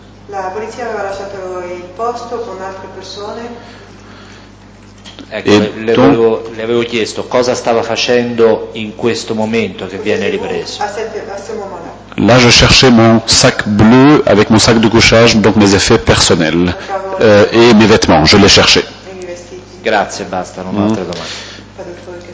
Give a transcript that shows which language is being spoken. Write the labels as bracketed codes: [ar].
[it] La polizia aveva lasciato il posto con altre persone. Ecco, le avevo chiesto cosa stava facendo in questo momento che viene ripreso. [fr] Là, je cherchais mon sac bleu avec mon sac de couchage, donc mes effets personnels et mes vêtements. Je les cherchais. [it] Grazie, basta, non ho altre domande.